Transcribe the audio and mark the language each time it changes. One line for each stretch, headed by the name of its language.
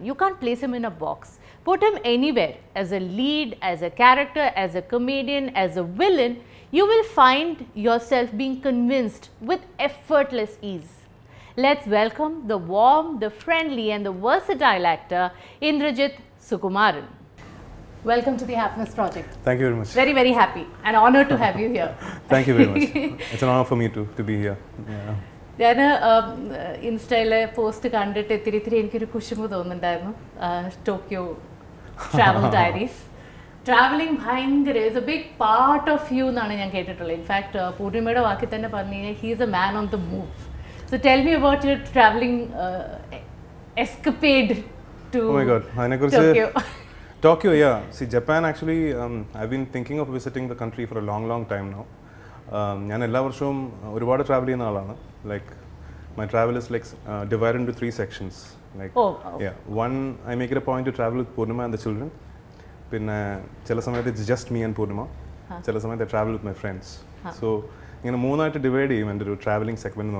English: You can't place him in a box. Put him anywhere as a lead, as a character, as a comedian, as a villain, you will find yourself being convinced with effortless ease. Let's welcome the warm, the friendly and the versatile actor, Indrajit Sukumaran. Welcome to the Happiness Project. Thank you very much. Very, very happy and honored to have you here. Thank you very much. It's an honor for me to be here.
Malayalam: ഞാൻ ഇൻസ്റ്റയിലെ post കണ്ടിട്ട് ഇത്തിരി ഇത്തിരി എനിക്കൊരു കുശുമ്പ് തോന്നുന്നുണ്ടായിരുന്നു.
English: Tokyo travel diaries. Travelling ഭയങ്കര is a big part of you
Malayalam: എന്നാണ് ഞാൻ കേട്ടിട്ടുള്ളത്.
English: in fact
Malayalam: പൂർണിമയുടെ വാക്കി തന്നെ പറഞ്ഞു കഴിഞ്ഞാൽ
English: He is a man on the move. So tell me about your travelling escapade to Tokyo. Tokyo, yeah. See, Japan actually, I've been thinking of visiting the country for a long, long time now.
Malayalam: ഞാൻ എല്ലാ വർഷവും ഒരുപാട് travel ചെയ്യുന്ന ആളാണ്.
English: Like my travel is like divide into three sections. Like one, I make a point to travel with Poornima and the children.
Malayalam: പിന്നെ ചില സമയത്ത്
English: It's just me and Poornima.
Malayalam: ചില സമയത്ത്
English: I travel with my friends.
Malayalam: So ഇങ്ങനെ മൂന്നായിട്ട് divide ചെയ്യും എൻ്റെ ഒരു ട്രാവലിംഗ് സെഗ്മെന്റ് എന്ന്